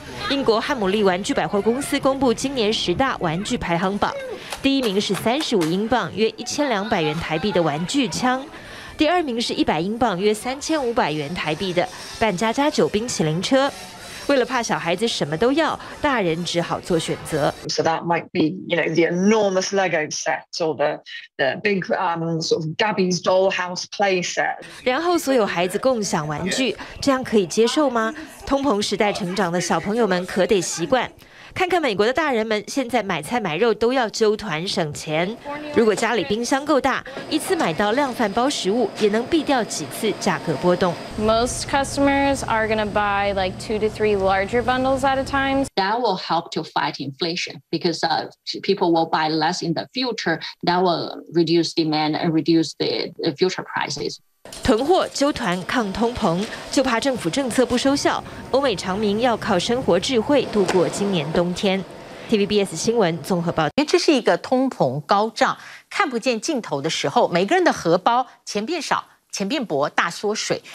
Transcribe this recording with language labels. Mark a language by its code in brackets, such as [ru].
[zh] 英国汉姆利玩具百货公司公布今年十大玩具排行榜，第一名是35英镑（约1200元台币）的玩具枪，第二名是100英镑（约3500元台币）的扮家家酒冰淇淋车。为了怕小孩子什么都要，大人只好做选择。 [en] So that might be, you know, the enormous Lego set or the big sort of Gabby's dollhouse playset. [zh] 然后所有孩子共享玩具，这样可以接受吗？通膨时代成长的小朋友们可得习惯。看看美国的大人们，现在买菜买肉都要揪团省钱。如果家里冰箱够大，一次买到量贩包食物，也能避掉几次价格波动。 [en] Most customers are going to buy like 2 to 3 larger bundles at a time. That will help to fight inflation because people will buy less in the future. That will reduce demand and reduce the future prices. [zh] 囤货纠团抗通膨，就怕政府政策不收效，欧美长民要靠生活智慧度过今年冬天。 TVBS 新闻综合报道。这是一个通膨高涨看不见尽头的时候，每个人的荷包钱变少，钱变薄，大缩水。